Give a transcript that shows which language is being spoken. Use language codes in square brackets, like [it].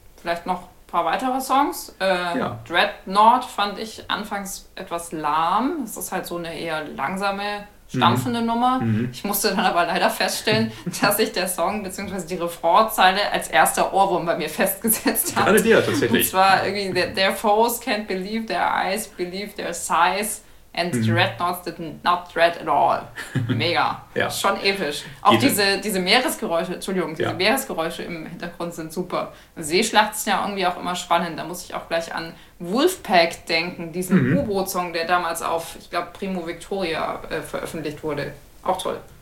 [de] Vielleicht noch ein paar weitere Songs. Dreadnought fand ich anfangs etwas lahm. Es ist halt so eine eher langsame, stampfende Nummer. Mhm. Ich musste dann aber leider feststellen, dass sich der Song bzw. die Refrainzeile als erster Ohrwurm bei mir festgesetzt hat. Gerade dir tatsächlich. Und zwar irgendwie, [en] their foes can't believe their eyes believe their size. And Dreadnoughts did not dread at all. [de] Mega. Ja. Schon episch. Auch diese Meeresgeräusche, Entschuldigung, diese Meeresgeräusche im Hintergrund sind super. Seeschlacht ist ja irgendwie auch immer spannend. Da muss ich auch gleich an Wolfpack denken, diesen U-Boot-Song, der damals auf, ich glaube, Primo Victoria veröffentlicht wurde. Auch toll.